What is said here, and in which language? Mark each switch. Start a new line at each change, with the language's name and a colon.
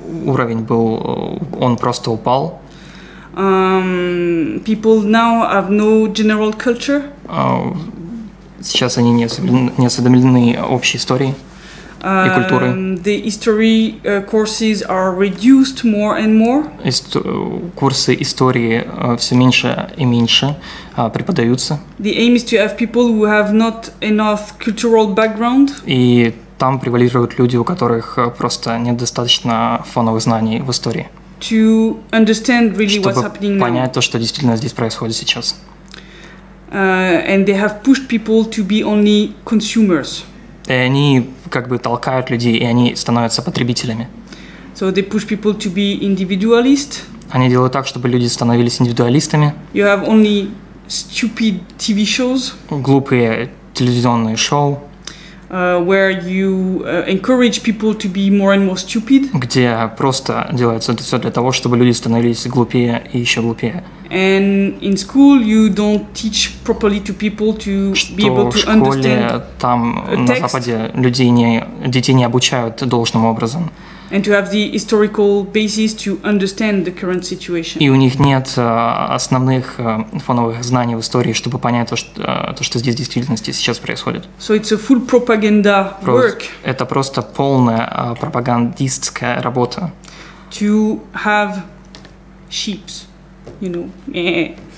Russian: И уровень был, он просто упал.
English: People now have no general culture.
Russian: Сейчас они не осведомлены общей истории. И культуры.
English: The history courses are reduced more and more.
Russian: Курсы истории все меньше и меньше преподаются.
English: The aim is to have people who have not enough cultural background.
Russian: И там превалируют люди, у которых просто недостаточно фоновых знаний в истории.
English: To understand really what's happening now.
Russian: Чтобы понять то, что действительно здесь происходит сейчас.
English: And they have pushed people to be only consumers.
Russian: И они как бы толкают людей, и они становятся потребителями.
English: So they push people to be individualist.
Russian: Они делают так, чтобы люди становились индивидуалистами.
English: You have only stupid TV shows.
Russian: Глупые телевизионные шоу.
English: Where you encourage people to be more and more stupid.
Russian: Где просто делается это все для того, чтобы люди становились глупее и еще глупее.
English: And in school you don't teach properly to people to
Russian: что
English: be able to
Russian: школе,
English: understand.
Russian: Там
English: a text.
Russian: На Западе людей не детей не обучают должным образом.
English: And to have the historical basis to understand the current situation.
Russian: И у них нет основных фоновых знаний в истории, чтобы понять то, что здесь в действительности сейчас происходит.
English: So it's a full propaganda work.
Russian: Это просто полная пропагандистская работа.
English: To have sheep, you know.